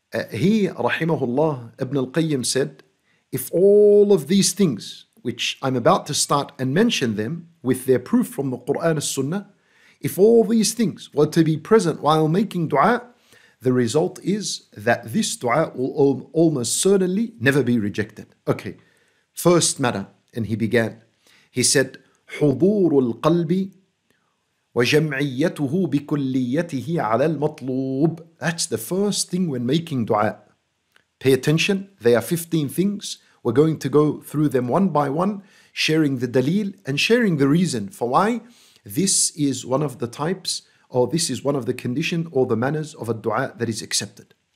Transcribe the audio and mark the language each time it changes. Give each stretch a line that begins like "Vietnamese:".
English: He, rahimahullah, Ibn Al-Qayyim said, if all of these things, which I'm about to start and mention them with their proof from the Qur'an al-Sunnah, if all these things were to be present while making dua, the result is that this dua will almost certainly never be rejected. Okay, first matter, and he began. He said,
Arabic: حضور القلب وجمعيته بكليته على المطلوب.
English: That's the first thing when making dua. Pay attention, they are 15 things. We're going to go through them one by one, sharing the dalil and sharing the reason for why this is one of the types, or this is one of the condition or the manners of a dua that is accepted.